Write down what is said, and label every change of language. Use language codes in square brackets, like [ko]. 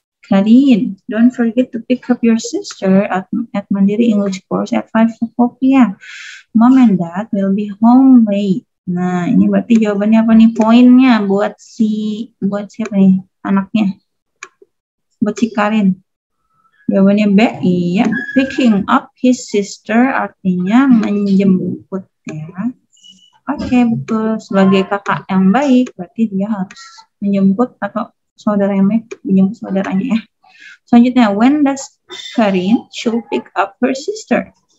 [en] Karin, don't forget to pick up your sister at Mandiri English course at 5:00 PM. Mom and dad will be home late. [id] Nah, ini berarti jawabannya apa nih? Poinnya buat si, buat siapa nih? Anaknya. Buat si Karin. Jawabannya B, iya. [en] Picking up his sister [id] artinya menjemput ya. Oke, betul. Sebagai kakak yang baik, berarti dia harus menjemput atau saudara yang baik, menjemput saudaranya ya. Selanjutnya, [en] when does Karin should pick up her sister?